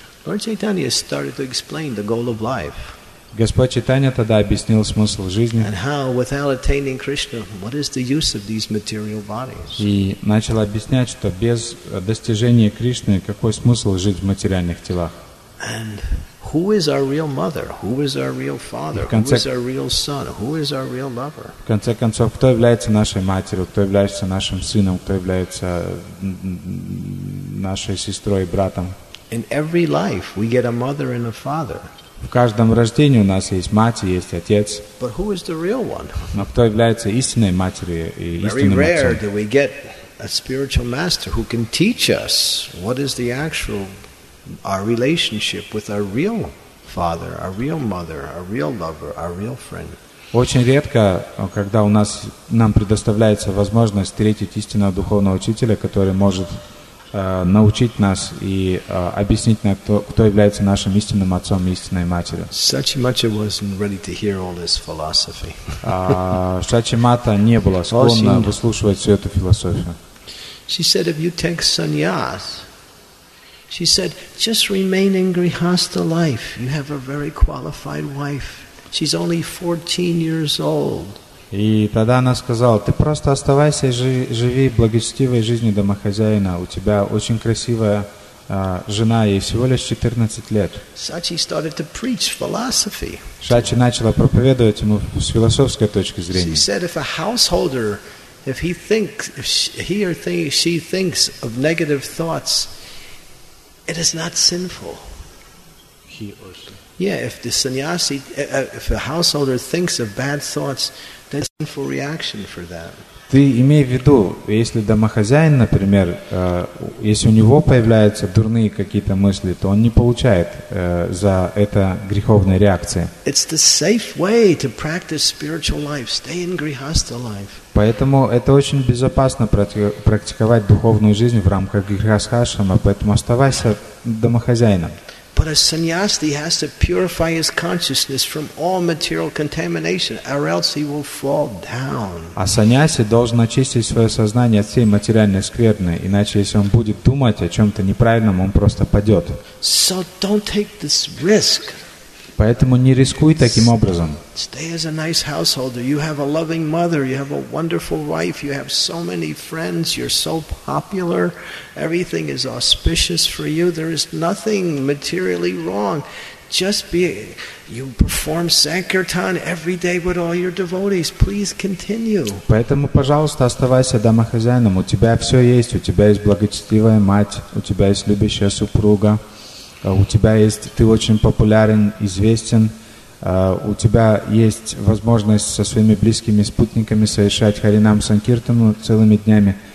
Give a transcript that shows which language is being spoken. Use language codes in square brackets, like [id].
[en] Lord Chaitanya started to explain the goal of life. [ru] Господь Чайтанья тогда объяснил смысл жизни. [en] And how, without attaining Krishna, what is the use of these material bodies? [ru] И начал объяснять, что без достижения Кришны какой смысл жить в материальных телах? [en] And who is our real mother? Who is our real father? Who is our real son? Who is our real lover? [ru] В конце концов, кто является нашей матерью, кто является нашим сыном, кто является нашей сестрой и братом? [en] In every life, we get a mother and a father. [ru] В каждом рождении у нас есть мать и есть отец. [en] But who is the real one? [ru] Но кто является истинной матерью и истинным [en] Very [ru] отцом? [en] Very rare do we get a spiritual master who can teach us what is the actual our relationship with our real father, our real mother, our real lover, our real friend. [ru] Очень редко, когда у нас нам предоставляется возможность встретить истинного духовного учителя, который может научить нас и объяснить нам, кто является нашим истинным отцом и истинной матерью. [en] Sachimata wasn't ready to hear all this philosophy. [ru] Sachimata не была склонна выслушивать всю эту философию. [en] She said, "If you take sannyas," she said, "just remain in grihastha life. You have a very qualified wife. She's only 14 years old." [ru] И тогда она сказала: "Ты просто оставайся и живи благочестивой жизнью домохозяина. У тебя очень красивая жена, ей всего лишь 14 лет." [en] Sachi started to preach philosophy. [ru] Шачи начала проповедовать ему с философской точки зрения. [en] She said, "If a householder, if he thinks, if he or she thinks of negative thoughts, it is not sinful." He or she. Yeah, if the sannyasi, if a householder thinks of bad thoughts, that's a sinful reaction for that. [ru] Ты имей в виду, если домохозяин, например, если у него появляются дурные какие-то мысли, то он не получает за это греховной реакции. [en] It's the safe way to practice spiritual life. Stay in grihastha life. [ru] Поэтому это очень безопасно практиковать духовную жизнь в рамках грихастхашрама, поэтому оставайся домохозяином. [en] But a sannyasi has to purify his consciousness from all material contamination, or else he will fall down. [ru] А саньяси должен очистить своё сознание от всей материальной скверны, иначе если он будет думать о чём-то неправильном, он просто падёт. [en] So don't take this risk. [ru] Поэтому не рискуй таким образом. [en] Stay as a nice householder. You have a loving mother, you have a wonderful wife, you have so many friends, you're so popular. Everything is auspicious for you. There is nothing materially wrong. Just be, you perform sankirtan every day with all your devotees. Please continue. [ru] Поэтому, пожалуйста, оставайся домохозяином. У тебя всё есть. У тебя есть благочестивая мать, у тебя есть любящая супруга. У тебя есть, ты очень популярен, известен. У тебя есть возможность со своими близкими спутниками совершать харинам санкиртану целыми днями.